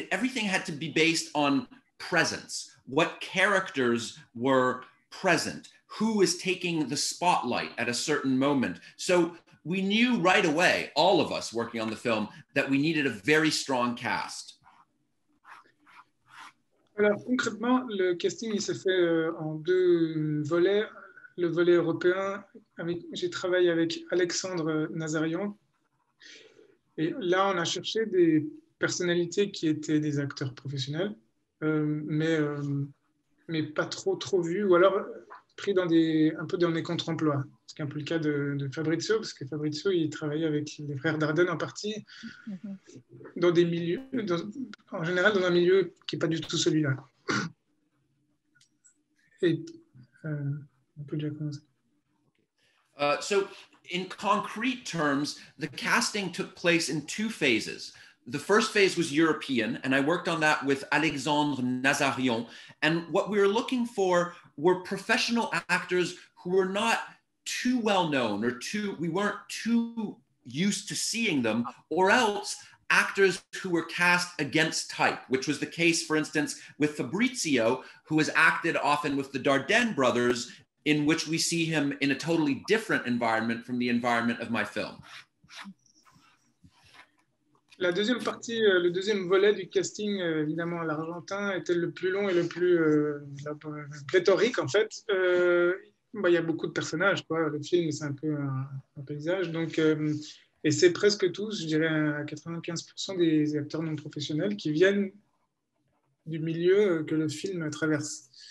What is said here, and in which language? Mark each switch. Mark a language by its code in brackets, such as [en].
[en] Everything had to be based on presence, what characters were present, who is taking the spotlight at a certain moment. So we knew right away, all of us working on the film, that we needed a very strong cast. [fr] Alors concrètement, le casting il s'est fait en deux volets. Le volet européen, j'ai travaillé avec Alexandre Nazarian. Et là, on a cherché des personnalités qui étaient des acteurs professionnels, mais pas trop vus, ou alors pris dans des contre-emplois. Ce qui est un peu le cas de Fabrizio, parce que Fabrizio, il travaillait avec les frères Dardenne en partie, dans des milieux, en général dans un milieu qui n'est pas du tout celui-là. Et on peut déjà commencer. [en] So, in concrete terms, the casting took place in two phases. The first phase was European, and I worked on that with Alexandre Nazarian. And what we were looking for were professional actors who were not too well known, or we weren't too used to seeing them, or else actors who were cast against type, which was the case, for instance, with Fabrizio, who has acted often with the Dardenne brothers, in which we see him in a totally different environment from the environment of my film. [fr] La deuxième partie, le deuxième volet du casting, évidemment, à l'argentin, était le plus long et le plus pléthorique, en fait. Il y a beaucoup de personnages, quoi. Le film, c'est un peu un paysage. Donc, et c'est presque tous, je dirais, à 95% des acteurs non professionnels qui viennent du milieu que le film traverse.